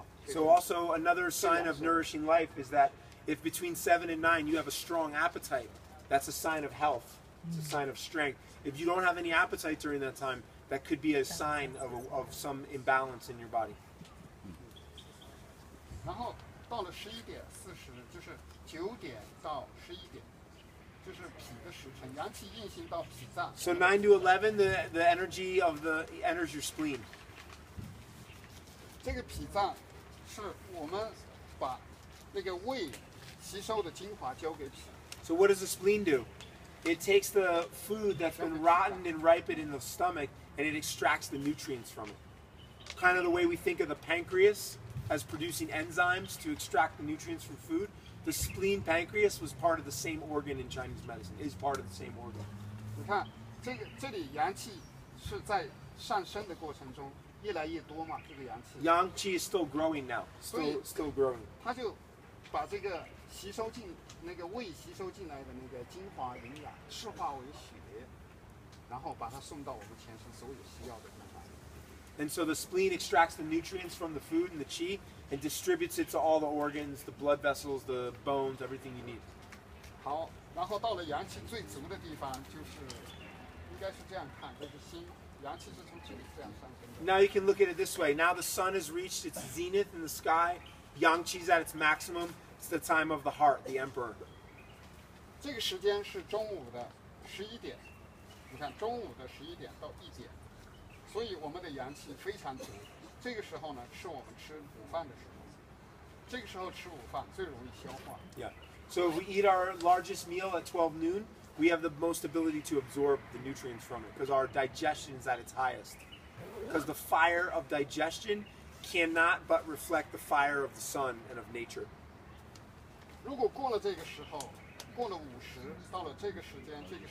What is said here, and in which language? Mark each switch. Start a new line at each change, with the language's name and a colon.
English: So also another sign of nourishing life is that if between 7 and 9 you have a strong appetite, that's a sign of health. It's a sign of strength. If you don't have any appetite during that time, that could be a sign of some imbalance in your body.
Chinese: 然后到了11点40，就是9点到11点，就是脾的时辰，阳气运行到脾脏。
English: So 9 to 11, the energy of the enters your spleen.
Chinese: 这个脾脏是我们把那个胃吸收的精华交给脾。
English: So what does the spleen do? It takes the food that's been rotten and ripened in the stomach, and it extracts the nutrients from it. Kind of the way we think of the pancreas. As producing enzymes to extract the nutrients from food, the spleen pancreas was part of the same organ in Chinese medicine, is part of the same organ.
Chinese: 你看，这里阳气是在上升的过程中越来越多嘛，这个阳气。
English: 阳气 is still growing now, still growing.
Chinese: 它就把这个吸收进那个胃吸收进来的那个精华营养释化为血，然后把它送到我们全身所有需要的地方。
English: And so the spleen extracts the nutrients from the food and the qi and distributes it to all the organs, the blood vessels, the bones, everything you need.
Chinese: 好，然后到了阳气最足的地方，就是应该是这样看，就是心，阳气是从这里这样上升的。
English: Now you can look at it this way. Now the sun has reached its zenith in the sky, yang qi is at its maximum. It's the time of the heart, the emperor.
Chinese: 这个时间是中午的11点，你看中午的11点到1点。所以我们的阳气非常足，这个时候呢，是我们吃午饭的时候。这个时候吃午饭最容易消化。
English: Yeah. So if we eat our largest meal at 12 noon, we have the most ability to absorb the nutrients from it because our digestion is at its highest. Because the fire of digestion cannot but reflect the fire of the sun and of nature.
Chinese: 如果过了这个时候，过了午时，到了这个时间，